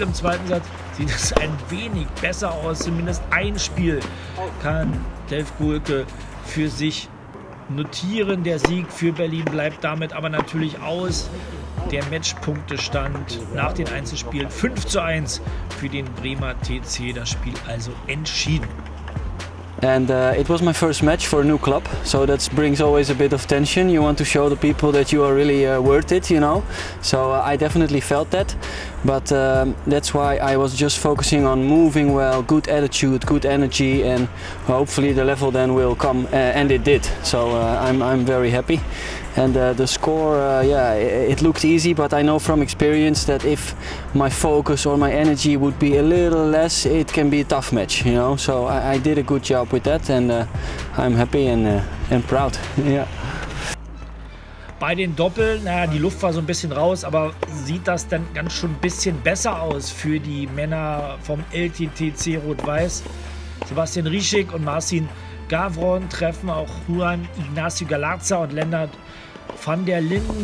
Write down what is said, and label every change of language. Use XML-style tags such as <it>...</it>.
<de>Im zweiten Satz sieht es ein wenig besser aus. Zumindest ein Spiel kann Delph Gulke für sich notieren. Der Sieg für Berlin bleibt damit aber natürlich aus. Der Matchpunktestand nach den Einzelspielen 5:1 für den Bremer TC. Das Spiel also entschieden.</de> <en>And it was my first match for a new club, so that brings always a bit of tension. You want to show the people that you are really worth it, you know. So I definitely felt that, but that's why I was just focusing on moving well, good attitude, good energy, and hopefully the level then will come, and it did. So I'm very happy. And the score, it looked easy, but I know from experience that if my focus or my energy would be a little less, it can be a tough match, you know. So I did a good job with that, and I'm happy and proud. Yeah.</en> <de>Bei den Doppeln, naja, die Luft war so ein bisschen raus, aber sieht das denn ganz schon ein bisschen besser aus für die Männer vom LTTC Rot-Weiß? Sebastian Rischig und Marcin Gavron treffen auch Juan Ignacio Galarza und Lennart van der Linden.</de>